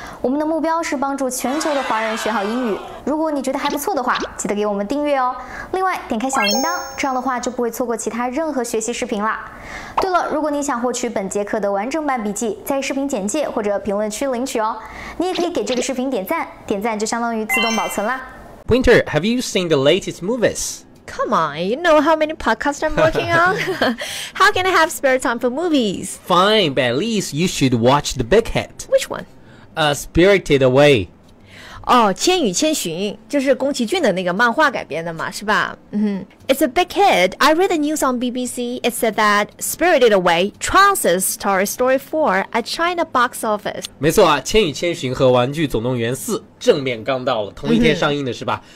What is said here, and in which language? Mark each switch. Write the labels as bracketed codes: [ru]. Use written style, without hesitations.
[zh] 我们的目标是帮助全球的华人学好英语。如果你觉得还不错的话，记得给我们订阅哦。另外，点开小铃铛，这样的话就不会错过其他任何学习视频啦。对了，如果你想获取本节课的完整版笔记，在视频简介或者评论区领取哦。你也可以给这个视频点赞，点赞就相当于自动保存啦。 [en] Winter, have you seen the latest movies? Come on, you know how many podcasts I'm working on. How can I have spare time for movies? Fine, but at least you should watch The Big Hit. Which one? Spirited Away. [zh] 哦，千与千寻就是宫崎骏的那个漫画改编的嘛，是吧？ [en] 嗯哼 ，It's a big hit. I read the news on BBC. It said that Spirited Away trounces Toy Story 4 at China box office. [zh] 没错啊，千与千寻和玩具总动员4正面刚到了，同一天上映的是吧？